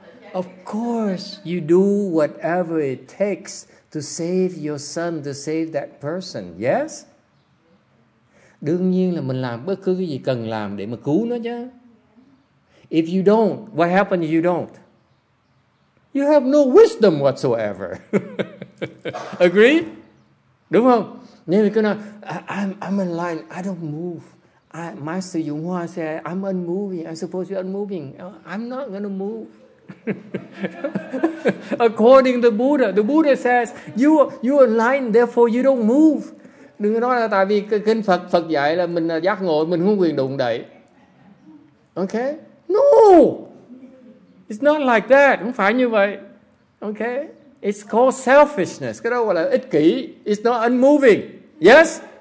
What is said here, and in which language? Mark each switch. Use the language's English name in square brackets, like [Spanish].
[English] Of course, you do whatever it takes to save your son, to save that person. Yes? [Vietnamese] Đương nhiên là mình làm bất cứ cái gì cần làm để mà cứu nó chứ. [English] If you don't, what happens if you don't? You have no wisdom whatsoever. Agreed? [Vietnamese] Đúng không? Nếu mình cứ nói, [English] I'm enlightened, I don't move. Master Dũng Hoa say, I'm unmoving, I suppose you're unmoving. I'm not going to move. According to the Buddha says, you're enlightened, therefore you don't move. [Vietnamese] Đừng có nói là tại vì kinh Phật dạy là mình giác ngộ, mình không quyền đụng đậy. [English] Okay? No! It's not like that. [Vietnamese] Không phải như vậy. [English] Okay? It's called selfishness. [Vietnamese] Cái đó gọi là ích kỷ. [English] It's not unmoving. Yes?